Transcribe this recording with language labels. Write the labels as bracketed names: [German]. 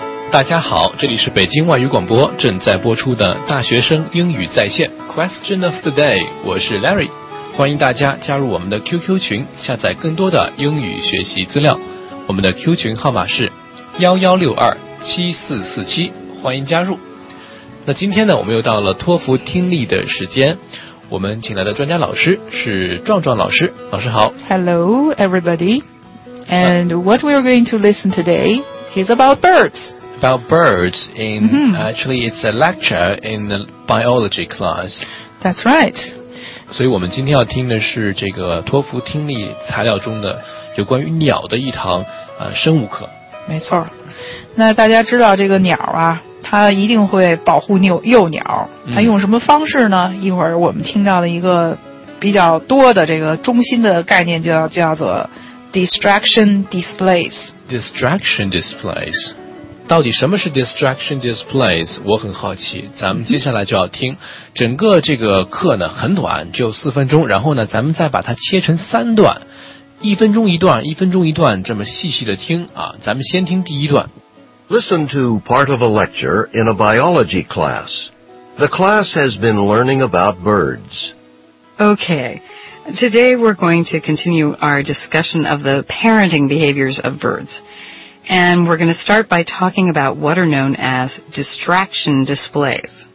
[Chinese] 大家好，这里是北京外语广播正在播出的大学生英语在线 Question of the Day， 我是 Larry， 欢迎大家加入我们的 QQ 群，下载更多的英语学习资料。我们的 Q 群号码是116274477，欢迎加入。那今天呢，我们又到了托福听力的时间，我们请来的专家老师是壮壮老师。老师好。 [English] Hello everybody， and what we are going to listen today is about birds. About birds in, actually it's a lecture in the biology class. That's right. [Chinese] 所以我们今天要听的是这个托福听力材料中的有关于鸟的一堂生物课。没错。那大家知道这个鸟啊，它一定会保护幼鸟。它用什么方式呢？一会儿我们听到了一个比较多的这个中心的概念，叫做 distraction displays. [English] Distraction displays. [Chinese] 到底什么是 distraction displays， 我很好奇。咱们接下来就要听整个这个课呢，很短，只有4分钟，然后呢咱们再把它切成3段，1分钟一段，这么细细的听啊。咱们先听第一段。 [English] Listen to part of a lecture in a biology class. The class has been learning about birds. Okay, today we're going to continue our discussion of the parenting behaviors of birds. And we're going to start by talking about what are known as distraction displays.